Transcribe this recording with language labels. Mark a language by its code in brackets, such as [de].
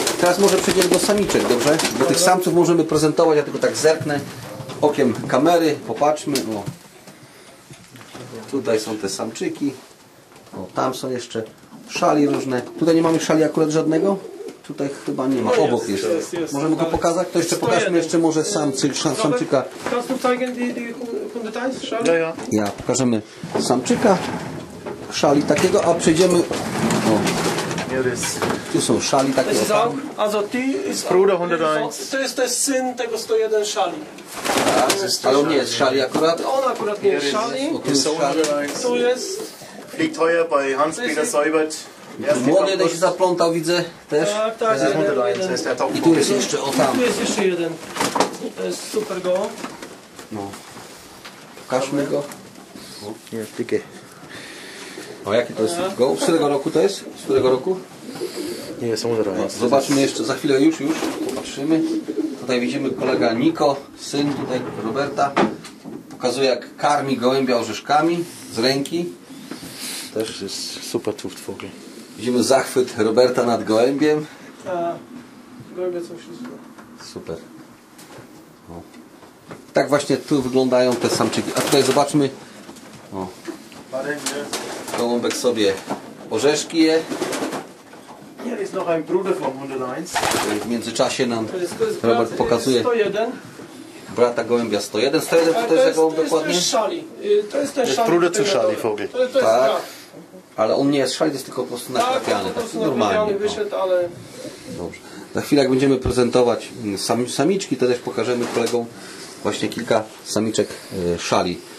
[pl] Teraz może przejdziemy do samiczek, dobrze? Bo tych samców możemy prezentować, ja tylko tak zerknę okiem kamery, popatrzmy. O. Tutaj są te samczyki, o, tam są jeszcze szali różne. Tutaj nie mamy szali akurat żadnego? Tutaj chyba nie ma, no obok jest. Jest. Możemy go pokazać? To jeszcze pokażmy jeszcze może samczyka. [de] Kannst du zeigen die Details? [pl] Ja, pokażemy samczyka, szali takiego, a przejdziemy... O. Tu są szali takie. [de] Also [pl] ty jest [de] Bruder [pl] 101. To jest też syn tego 101 szali. Tak, ale on nie jest szali akurat. On akurat nie jest szali. Tu jest... [de] Fliegt heuer bei Hans-Peter Seubert. [pl] Młody jeden się zaplątał, widzę też. Tak, tak. I tu jest jeszcze, o tam. Tu jest jeszcze jeden. To jest super go. No. Pokażmy go. O, nie, tykie. O, jaki to jest go? Z którego roku to jest? Z którego roku? Nie, jest on. Zobaczmy jeszcze, za chwilę już. Popatrzymy. tutaj widzimy kolega Niko, syn tutaj Roberta, pokazuje jak karmi gołębia orzeszkami z ręki. Też jest super tuft w ogóle. Widzimy zachwyt Roberta nad gołębiem. Gołębie są wszystko. Super. O. Tak właśnie tu wyglądają te samczyki. A tutaj zobaczmy. O. Gołąbek sobie orzeszki je. [de] Hier ist noch ein Bruder von Wunder 1. [pl] W międzyczasie nam Robert pokazuje. 101. Brata gołębia 101. 101 to jest gołąb dokładnie? To jest szali. To jest też szali. [de] Bruder zu [pl] szali w ogóle. Tak. Ale on nie jest szali, jest tylko po prostu naklepiany. Tak, to normalnie wyszedł, ale... Dobrze. Za chwilę jak będziemy prezentować samiczki, to też pokażemy kolegom właśnie kilka samiczek szali.